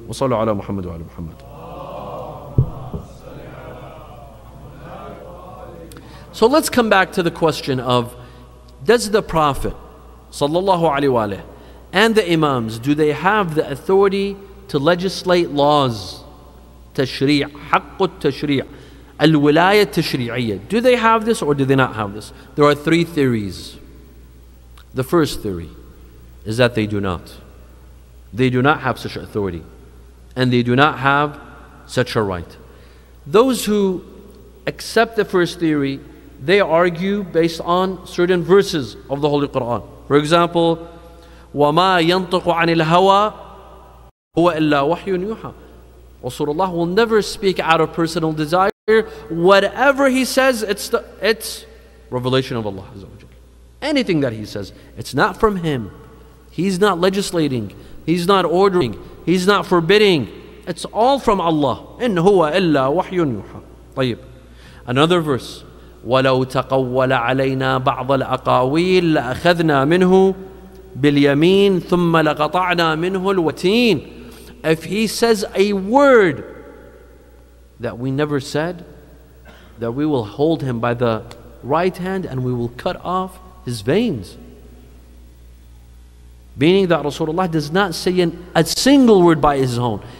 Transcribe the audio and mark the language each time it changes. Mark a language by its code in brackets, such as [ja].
[ar] Wa sallu ala Muhammad wa ala Muhammad. [en] So let's come back to the question of, does the Prophet sallallahu alayhi wa alayhi, and the imams, do they have the authority to legislate laws? [ar] التشريع حق التشريع الولاية التشريعية. [en] Do they have this or do they not have this? There are three theories. The first theory is that they do not. They do not have such authority and they do not have such a right. Those who accept the first theory, they argue based on certain verses of the Holy Quran. For example, [ar] وَمَا يَنْطَقُ عَنِ الْهَوَىٰ هُوَ إِلَّا وَحْيٌ يُوحَىٰ. [en] Rasulullah will never speak out of personal desire. Whatever he says, it's revelation of Allah Azza wa Jalla. Anything that he says, it's not from him. He's not legislating. He's not ordering. He's not forbidding. It's all from Allah. [ar] إِنْ هُوَ إِلَّا وَحْيٌ يُوحَىٰ. [en] طيب. Another verse. [ar] وَلَوْ تَقَوَّلَ عَلَيْنَا بَعْضَ الْأَقَاوِيلِ لَأَخَذْنَا مِنْهُ باليمين ثم لقطعنا منه الوتين. [en] If he says a word that we never said, that we will hold him by the right hand and we will cut off his veins. Meaning that Rasulullah does not say a single word by his own.